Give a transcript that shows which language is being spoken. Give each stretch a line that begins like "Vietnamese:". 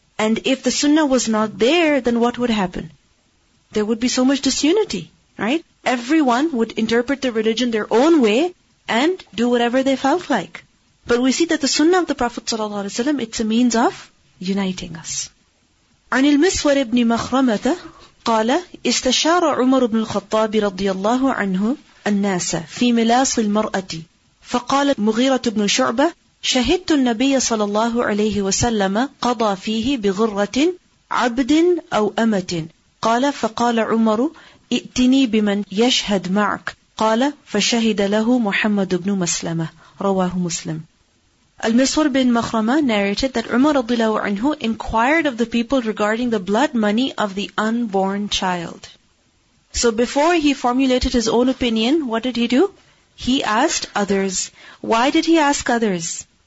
English: And if the sunnah was not there, then what would happen? There would be so much disunity, right? Everyone would interpret the religion their own way and do whatever they felt like. But we see that the sunnah of the Prophet sallallahu alaihi wasallam, it's a means of uniting us.
Arabic: عن المسور بن مخرمة قال استشار عمر بن الخطاب رضي الله عنه الناس في ملاص المرأة فقال مغيرة بن شعبة شهدت النبي صلى الله عليه وسلم قضى فيه بغرة عبد أو أمة قال فقال عمر ائتني بمن يشهد معك قال فشهد له محمد بن مسلمة رواه مسلم.
English: Al-Miswar bin Makhrama narrated that Umar radhiyallahu anhu inquired of the people regarding the blood money of the unborn child. So before he formulated his own opinion, what did he do? He asked others. Why did he ask others?